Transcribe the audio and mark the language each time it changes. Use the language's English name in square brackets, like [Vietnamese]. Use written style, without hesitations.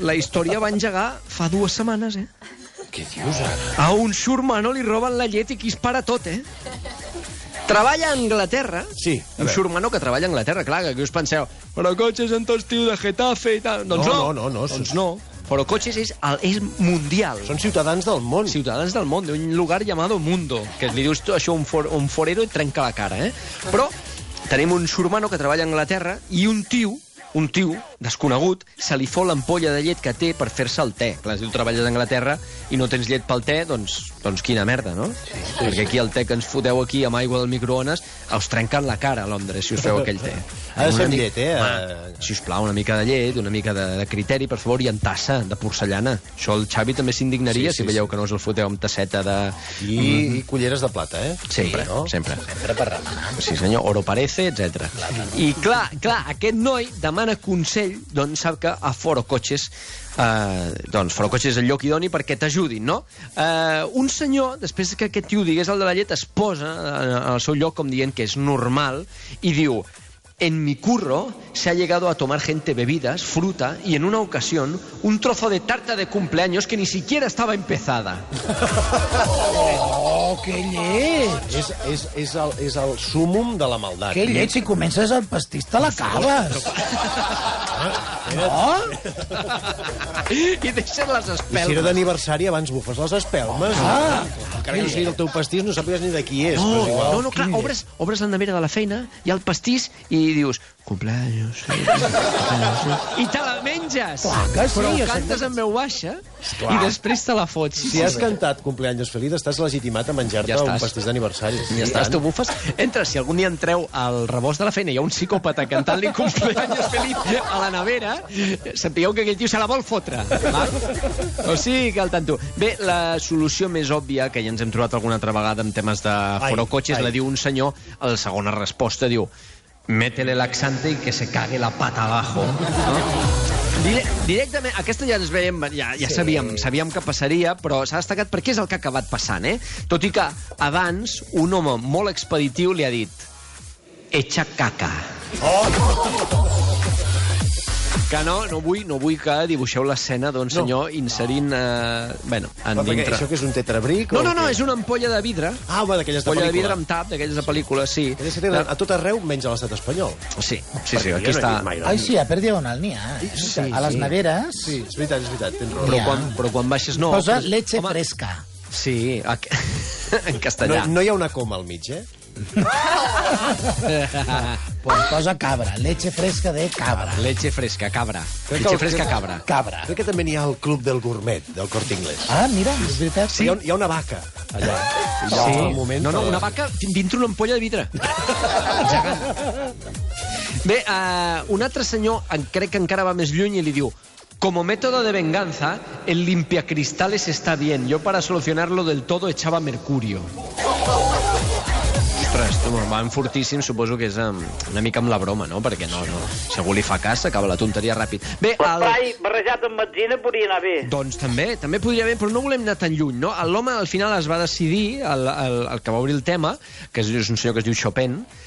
[Catalan] La història va engegar fa dues setmanes, eh? Què dius, ara? A un xurmano li roben la llet i qui es para tot, eh? Treballa a Anglaterra. Sí. Un xurmano que treballa a Anglaterra, clar, que us penseu... Però cotxes en tot estiu de Getafe i tal... Doncs no. No. Doncs no. Forocotxes és mundial. Són ciutadans del món. Ciutadans del món, [Spanish] d'un lugar llamado Mundo. [Catalan] Que li dius tu això un forero i trenca la cara, eh? Però tenim un xurmano que treballa a Anglaterra i un tio, desconegut, se li fot l'ampolla de llet que té per fer-se el te. Clar, si tu treballes a Anglaterra i no tens llet pel te, doncs quina merda, no? Sí. Perquè aquí el te que ens foteu aquí amb aigua del microones us trenquen la cara a Londres si us feu aquell te. Ha de ser amb llet, eh? Sisplau, una mica de llet, una mica de criteri, per favor, i en tassa de porcellana. Això el Xavi també s'indignaria, sí, veieu que no us el foteu amb tasseta de... I culleres de plata, eh? Sí, sempre. Sempre per remenar. Sí, senyor, [Spanish] oro parece, [Catalan] etc. I clar, aquest noi demana consell, doncs sap que a Forocotxes... Doncs Forocotxes és el lloc idoni perquè t'ajudin, no? Un senyor, després que aquest tio digués el de la llet, es posa al seu lloc, com dient que és normal, i diu... [Spanish] En mi curro se ha llegado a tomar gente bebidas, fruta y en una ocasión un trozo de tarta de cumpleaños que ni siquiera estaba empezada. [Catalan] Oh, qué lleig! És el súmum de la maldat. Qué lleig, si comences el pastís te l'acabes. No? I deixes les espelmes. I si era d'aniversari, abans bufes les espelmes. Encara que no sigui el teu pastís, no sàpigues ni de qui és. No, clar, obres la nevera de la feina, hi ha el pastís i dius... Cumpleaños. I te la menges. Clar, sí, però cantes en veu baixa i després te la fots. Si has cantat [Spanish] cumpleaños feliz, [Catalan] estàs legitimat a menjar-te un pastís d'aniversari. Ja estàs, tu bufes. Entra, si algun dia entreu al rebost de la feina, hi ha un psicòpata cantant-li [Spanish] cumpleaños feliz [Catalan] a la nevera, sapigueu que aquell tio se la vol fotre. Va? O sigui que al tanto. Bé, la solució més òbvia, que ja ens hem trobat alguna altra vegada en temes de forocotxes, la diu un senyor, a la segona resposta, diu... [Spanish] Métele laxante y que se cague la pata abajo. [Catalan] No? Directament, aquesta ja ens veiem, ja sí. sabíem que passaria, però s'ha destacat perquè és el que ha acabat passant, eh? Tot i que abans un home molt expeditiu li ha dit... [Spanish] Echa caca. [Catalan] Oh! Que no vull que dibuixeu l'escena d'un senyor inserint... dintre. Això que és un tetrabric? No, és una ampolla de vidre. Ah, home, d'aquelles de pel·lícula. Ampolla de vidre amb tap, d'aquelles de pel·lícula, sí. A tot arreu, menys a l'estat espanyol. Sí, aquí està. Ai, sí, a per diagonal n'hi ha. A les neveres... Sí, és veritat, tens raó. Però quan baixes, no. [Spanish] Posa leche fresca. [Catalan] Sí, en castellà. No hi ha una coma al mig, eh? [Spanish] Pues posa cabra, leche fresca de cabra. Leche fresca, cabra. Leche fresca, cabra. Cabra. [Catalan] Crec que també n'hi ha el club del gourmet del Corte Inglés. Ah, mira, és veritat. Sí. Hi ha una vaca allà. Sí. No, una vaca dintre una ampolla de vidre. Bé, un altre senyor crec que encara va més lluny i li diu... [Spanish] Como método de venganza, el limpiacristales está bien. Yo para solucionarlo del todo echaba mercurio. [Catalan] Ostres, tu, va fortíssim, suposo que és una mica amb la broma, no? Perquè no, si algú li fa cas, s'acaba la tonteria ràpid. Bé, barrejat amb benzina podria anar bé. Doncs també podria anar bé, però no volem anar tan lluny, no? L'home al final es va decidir, el que va obrir el tema, que és un senyor que es diu Chopin.